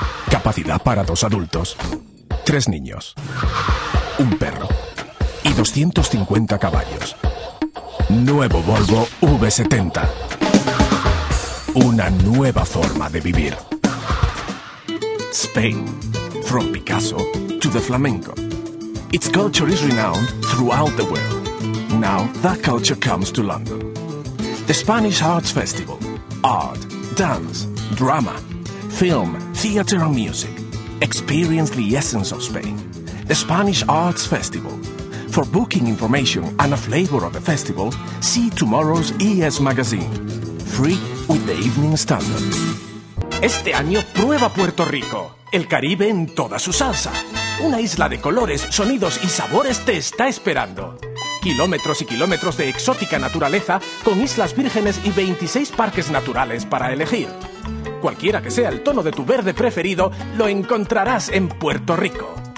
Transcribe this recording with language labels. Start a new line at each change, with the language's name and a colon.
Spanish: Capacidad para dos adultos, tres niños, un perro y 250 caballos. Nuevo Volvo V70. Una nueva forma de vivir.
English: Spain, from Picasso to the flamenco. Its culture is renowned throughout the world. Now that culture comes to London. The Spanish Arts Festival. Art, dance, drama, film, theater and music. Experience the essence of Spain. The Spanish Arts Festival. For booking information and a flavor of the festival, see tomorrow's ES Magazine. Free with the Evening Standard.
Spanish: Este año prueba Puerto Rico, el Caribe en toda su salsa. Una isla de colores, sonidos y sabores te está esperando. Kilómetros y kilómetros de exótica naturaleza con islas vírgenes y 26 parques naturales para elegir. Cualquiera que sea el tono de tu verde preferido, lo encontrarás en Puerto Rico.